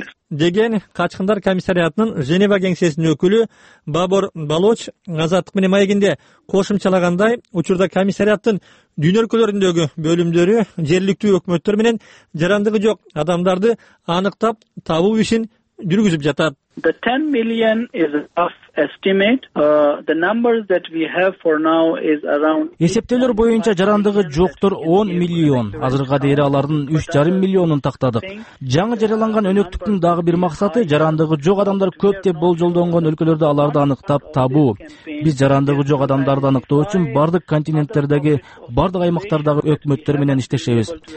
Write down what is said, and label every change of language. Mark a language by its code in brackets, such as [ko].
[ky] Деген качкындар комиссариатынын Женева кеңсесинин өкүлү Бабор Балоч Азаттык менен маегинде кошумчалагандай, учурда комиссариаттын дүйнө өлкөлөрүндөгү бөлүмдөрү жергиликтүү өкмөттөр менен жарандыгы жок адамдарды аныктап табуу ишин жүргүзүп жатат. [en] The 10 million is a rough estimate. The numbers that we have for now is around. [ky] Эсептөөлөр боюнча жарандыгы жоктор 10 миллион. Азырга дейин алардын 3,5 миллионун тактадык. Жаңы жарыяланган өнөктүктүн дагы бир максаты жарандыгы жок адамдар көп деп болжолдонгон өлкөлөрдө аларды аныктап табуу. Биз жарандыгы жок адамдарды аныктоо үчүн бардык континенттердеги, бардык аймактардагы өкмөттөр менен иштешебиз.